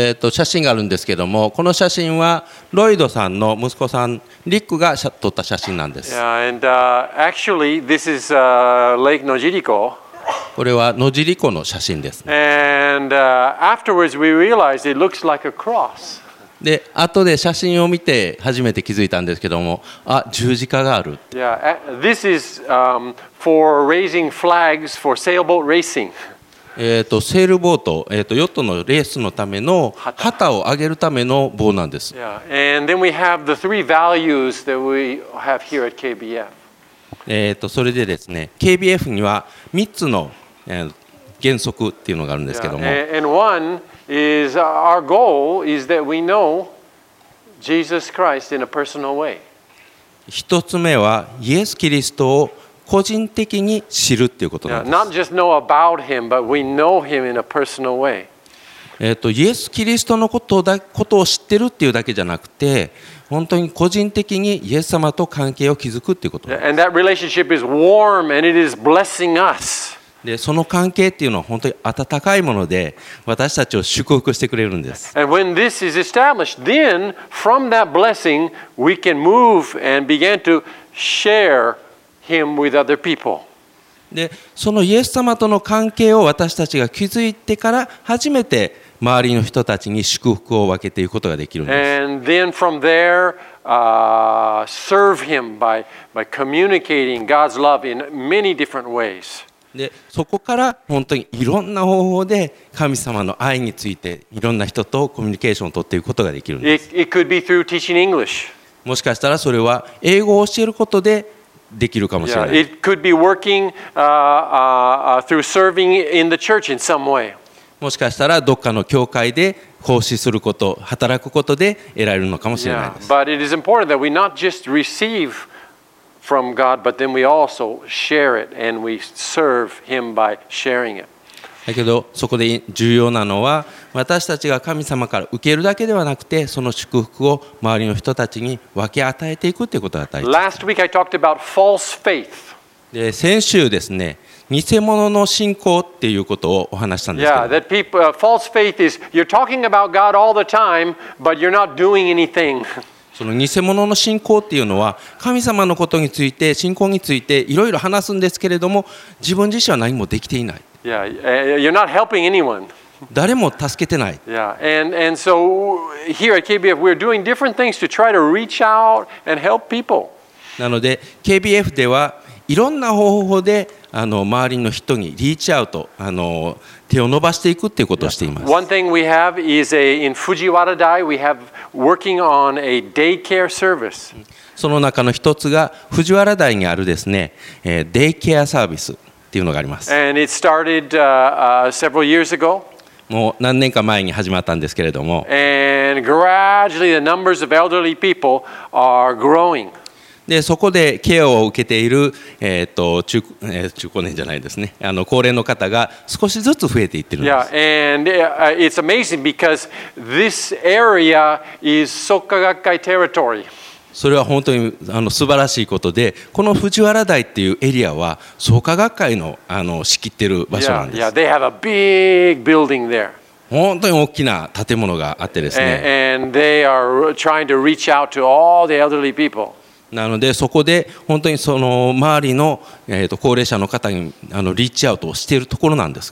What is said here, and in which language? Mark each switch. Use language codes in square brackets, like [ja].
[ja] 写真があるんですけども、この写真はロイドさんの息子さん、リックが撮った写真なんです。 [en] Yeah, and actually, this is Lake Nojiriko. [ja] これは野尻湖の写真ですね。 [en] And, afterwards we realized it looks like a cross. [ja] で、後で写真を見て初めて気づいたんですけども、あ、十字架がある。 [en] Yeah, this is for raising flags for sailboat racing. [ja] セールボート、ヨットのレースのための旗を上げるための棒なんです。 [en] Yeah, and then we have the three values that we have here at KBF. [ja] それでですね、KBF には3つの、原則っていうのがあるんですけども、 [en] yeah. And one is our goal is that we know Jesus Christ in a personal way. [ja] 一つ目はイエス・キリストを個人的に知るっていうことなんです。 [en] Not just know about him, but we know him in a personal way. [ja] イエス・キリストのことを知ってるっていうだけじゃなくて、本当に個人的にイエス様と関係を築くということです。で、その関係っていうのは本当に温かいもので、私たちを祝福してくれるんです。 [en] And when this is established, then from that blessing, we can move and begin to share him with other people. [ja] で、そのイエス様との関係を私たちが築いてから初めて周りの人たちに祝福を分けていくことができるんです。 [en] And then from there, serve him by communicating God's love in many different ways. [ja] で、そこから本当にいろんな方法で神様の愛についていろんな人とコミュニケーションを取っていくことができるんです。 [en] It could be through teaching English. [ja] もしかしたらそれは英語を教えることでできるかもしれない。 [en] Yeah, it could be working through serving in the church in some way. [ja] もしかしたらどっかの教会で奉仕すること、働くことで得られるのかもしれないです。 [en] Yeah, but it is important that we not just receive from God, but then we also share it and we serve Him by sharing it. [ja] だけどそこで重要なのは、私たちが神様から受けるだけではなくて、その祝福を周りの人たちに分け与えていくということが大事です。 [en] Last week I talked about false faith. [ja] で、先週ですね、偽物の信仰っていうことをお話したんですけど、 [en] Yeah, that people, false faith is you're talking about God all the time, but you're not doing anything. [ja] その偽物の信仰っていうのは、神様のことについて、信仰についていろいろ話すんですけれども、自分自身は何もできていない。 [en] Yeah, you're not helping anyone. [ja] 誰も助けてない。 [en] Yeah, and so here at KBF we're doing different things to try to reach out and help people. [ja] なので KBF ではいろんな方法で周りの人にリーチアウト、手を伸ばしていくっていうことをしています。 [en] One thing we have is in Fujiwara Dai we have working on a daycare service. [ja] その中の一つが藤原台にあるですね、デイケアサービスっていうのがあります。 [en] And it started several years ago. [ja] もう何年か前に始まったんですけれども、 [en] And gradually the numbers of elderly people are growing. [ja] で、そこでケアを受けている、中高年じゃないですね、高齢の方が少しずつ増えていってるんです。 [en] Yeah, and it's amazing because this area is Sokagakkai territory. [ja] それは本当に素晴らしいことで、この藤原台っていうエリアは創価学会の仕切ってる場所なんです。 [en] Yeah, they have a big building there. [ja] 本当に大きな建物があってですね、 [en] and they are trying to reach out to all the elderly people. [ja] なのでそこで本当にその周りの高齢者の方にリーチアウトをしているところなんです